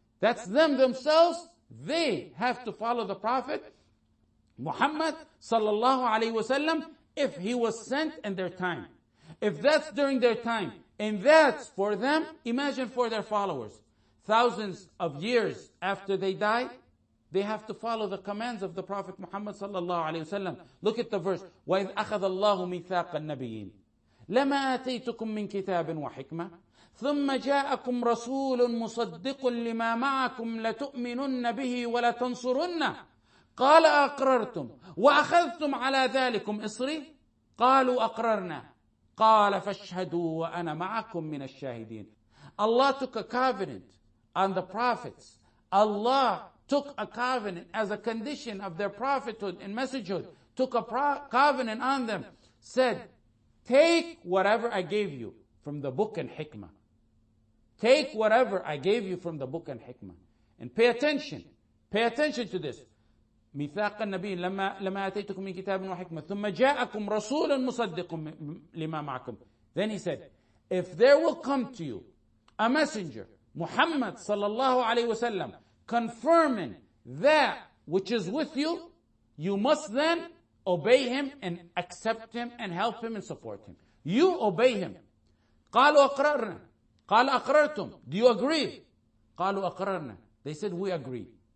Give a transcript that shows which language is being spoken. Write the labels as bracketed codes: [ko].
[en] That's them themselves. They have to follow the Prophet Muhammad sallallahu alayhi wasallam if he was sent in their time. If that's during their time, and that's for them, imagine for their followers. Thousands of years after they die, they have to follow the commands of the Prophet Muhammad sallallahu alayhi wasallam. Look at the verse. [ar] وَإِذْ أَخَذَ اللَّهُ مِيثَاقَ النَّبِيِّينَ لَمَا آتَيْتُكُمْ مِنْ كِتَابٍ وَحِكْمَةٍ ثُمَّ جَاءَكُمْ رَسُولٌ مُصَدِّقٌ لِمَا مَعَكُمْ لَتُؤْمِنُنَّ بِهِ وَلَتَنْصُرُنَّ قَالَ أَقْرَرْتُمْ وَأَخَذْتُمْ عَلَى ذَلِكُمْ إِصْرِي قَالُوا أَقْرَرْنَا قَالَ فَاشْهَدُوا وَأَنَا مَعَكُمْ مِنَ الشَّاهِدِينَ [en] Allah took a covenant on the prophets. Allah took a covenant as a condition of their prophethood and messengerhood. Took a covenant on them. Said, take whatever I gave you from the book and hikmah. Take whatever I gave you from the book and hikmah. And pay attention. Pay attention to this. [ar] ميثاق النبي لما أتيتكم من كتاب وحكمة ثم جاءكم رسول مصدق لما معكم. [en] Then he said, if there will come to you a messenger, Muhammad sallallahu alayhi wasallam, confirming that which is with you, you must then obey him and accept him and help him and support him. You obey him. [ar] قالوا أقررنا. قال أقررتم. [en] Do you agree? [ar] قالوا أقررنا. [en] They said, we agree.